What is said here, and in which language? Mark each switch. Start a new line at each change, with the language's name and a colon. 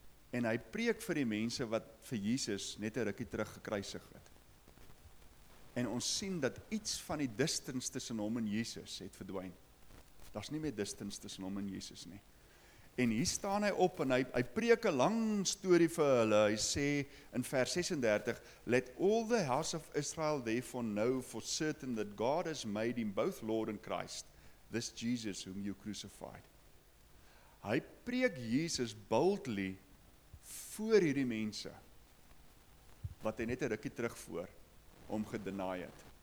Afrikaans: En hy preek vir die mense wat vir Jesus net 'n rukkie terug gekruisig het. En ons sien dat iets van die distance tussen hom en Jesus het verdwyn. Daar's nie meer distance tussen hom en Jesus nie. En hier staan hy op en hy preek 'n lang story vir hulle. Hy sê in vers 36,
English: Let all the house of Israel therefore know for certain that God has made him both Lord and Christ, this Jesus whom you crucified.
Afrikaans: Hy preek Jesus boldly voor hierdie mense, wat hy net 'n rukkie terug voor hom gedenaai het.